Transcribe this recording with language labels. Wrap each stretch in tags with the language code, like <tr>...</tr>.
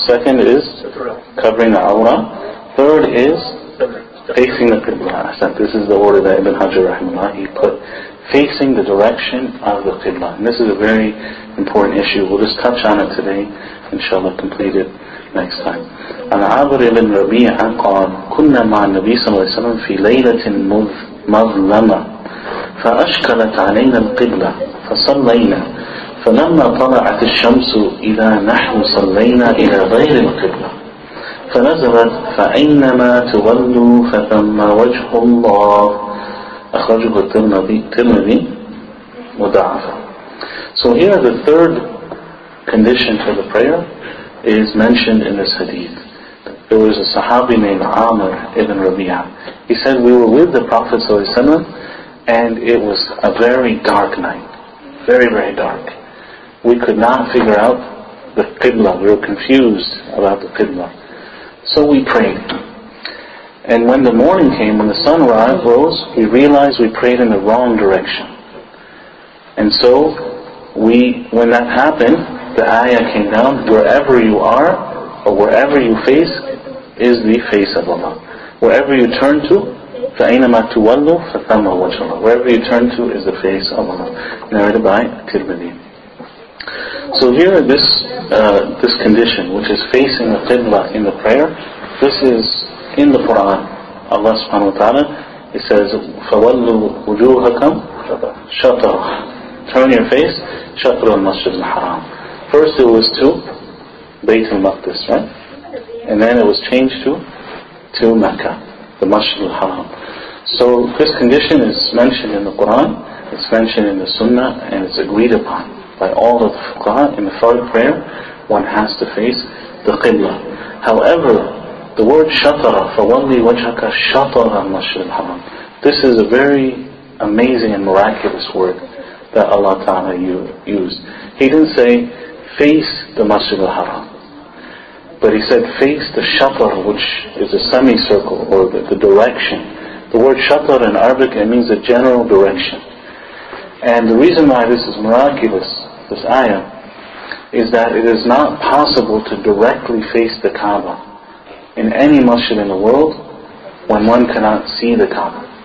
<en>Second is covering the awrah. Third is facing the qibla. This is the order that Ibn Hajar rahimahullah, he put. Facing the direction of the qibla. And this is a very important issue. We'll just touch on it today, inshaAllah, complete it next time.</en> <ar>عن عابر بن ربيعة قال كنا مع النبي صلى الله عليه وسلم في ليلة مظلمة فأشكلت علينا القبلة فصلينا فلما طلعت الشمس إذا نحن صلينا إلى غير القبلة فنزلت فأينما تولوا فثم وجه الله أخرجه الترمذي مضاعفا.</ar> <en>So here the third condition for the prayer is mentioned in this hadith. There was a Sahabi named Amr ibn Rabi'ah. He said, we were with the Prophet ﷺ and it was a very dark night. Very, very dark. We could not figure out the Qibla. We were confused about the Qibla. So we prayed. And when the morning came, when the sun rose, we realized we prayed in the wrong direction. And so, when that happened, the ayah came down, wherever you are, or wherever you face, is the face of Allah. Wherever you turn to,</en> <ar>فَأَيْنَمَا تُوَلُّ فَثَمَّ وَجْهُ اللَّهِ.</ar> <en>Wherever you turn to is the face of Allah. Narrated by Tirmidhi. So here, this condition, which is facing the Qibla in the prayer, this is in the Quran. Allah subhanahu wa ta'ala, it says,</en> <ar>فَوَلُّ وُجُوهَكَمْ شَطَرُ.</ar> <en>Turn your face,</en> <ar>شَطْرُ الْمَسْجِدِ الْحَرَامِ.</ar> <en>First it was to Bayt al-Maqdis, right? And then it was changed to Mecca, the Masjid al-Haram. So this condition is mentioned in the Quran, it's mentioned in the Sunnah, and it's agreed upon by all of the Fuqaha. In the Fard prayer, one has to face the Qibla. However, the word shatara,</en> <ar>فَوَلِّي وَجْهَكَ شَطَرَ الْمَسْجِدِ الْحَرَامِ.</ar> <en>This is a very amazing and miraculous word that Allah Ta'ala used. He didn't say, face the Masjid al-Haram. But he said, face the shatr, which is a semicircle, or the direction. The word shatr in Arabic, it means a general direction. And the reason why this is miraculous, this ayah, is that it is not possible to directly face the Kaaba in any masjid in the world when one cannot see the Kaaba.</en>